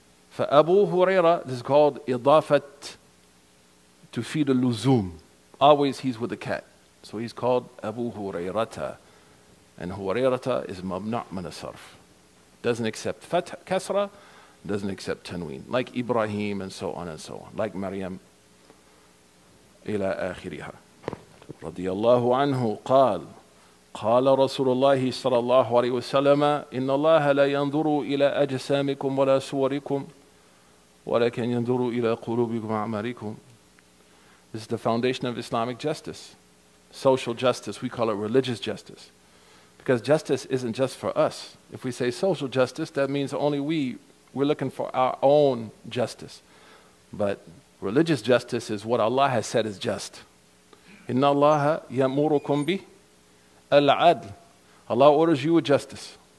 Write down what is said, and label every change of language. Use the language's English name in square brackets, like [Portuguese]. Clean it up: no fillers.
[English] Fa'abu Huraira, this is called idafat to feed al-luzum. Always he's with a cat. So he's called Abu Hurairata. And Hurairata is mabna' min as-sarf. Doesn't accept fat kasra, doesn't accept tanween. Like Ibrahim and so on and so on. Like Maryam ila akhiriha. [Arabic] رضي الله عنه قال قال رسول الله صلى الله عليه وسلم إن الله لا ينظر إلى أجسامكم ولا صوركم ولكن ينظر إلى قلوبكم وأعمالكم [English] This is the foundation of Islamic justice. Social justice, we call it religious justice. Because justice isn't just for us. If we say social justice, that means only we're looking for our own justice. But religious justice is what Allah has said is just. [Arabic] إِنَّ اللَّهَ يَأْمُرُكُمْ بِهِ الْعَدْلِ [English] Allah orders you with justice.